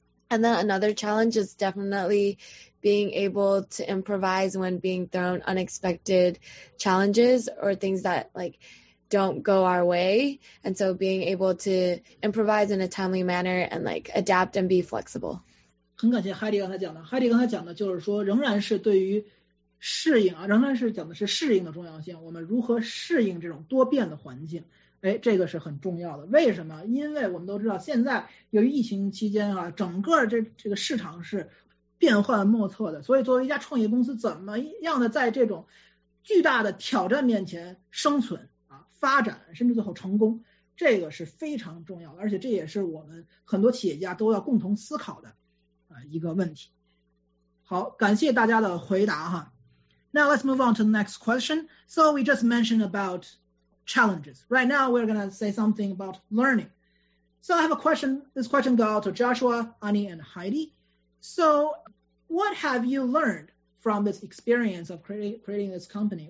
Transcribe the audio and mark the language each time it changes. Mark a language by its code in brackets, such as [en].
[en] And then another challenge is definitely being able to improvise when being thrown unexpected challenges or things that like don't go our way. And so being able to improvise in a timely manner and like adapt and be flexible. [zh] 很感谢 Heidi 刚才讲的。 Heidi 刚才讲的就是说仍然是对于适应啊，仍然是讲的是适应的重要性。我们如何适应这种多变的环境。哎，这个是很重要的。为什么？因为我们都知道现在由于疫情期间啊，整个这个市场是变幻莫测的，所以作为一家创业公司怎么样的在这种巨大的挑战面前生存啊，发展甚至最后成功，这个是非常重要的，而且这也是我们很多企业家都要共同思考的一个问题。好，感谢大家的回答哈。 [en] Now let's move on to the next question. So we just mentioned aboutchallenges. Right now, we're going to say something about learning. So I have a question. This question goes out to Joshua, Ani, and Heidi. So what have you learned from this experience of creating this company?